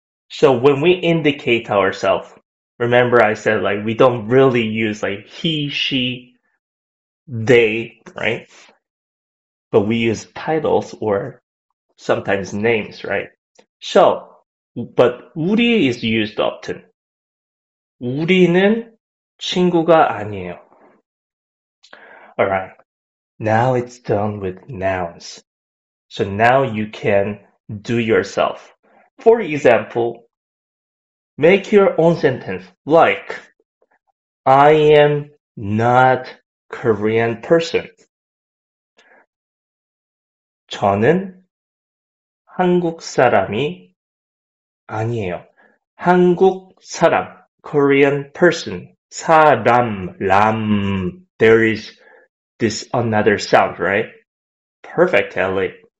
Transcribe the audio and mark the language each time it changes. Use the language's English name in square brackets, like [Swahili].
[English] So when we indicate ourselves, remember I said like we don't really use like he, she, they, right? But we use titles or sometimes names, right? So, but 우리 is used often. [Korean] 우리는 친구가 아니에요. [English] All right. Now it's done with nouns. So now you can do yourself. For example, make your own sentence like, I am not Korean person. [Korean] 저는 한국 사람이 아니에요. 한국 사람, [English] Korean person, [Korean] 사람, 람. [English] There is this another sound, right? Perfect, Ellie.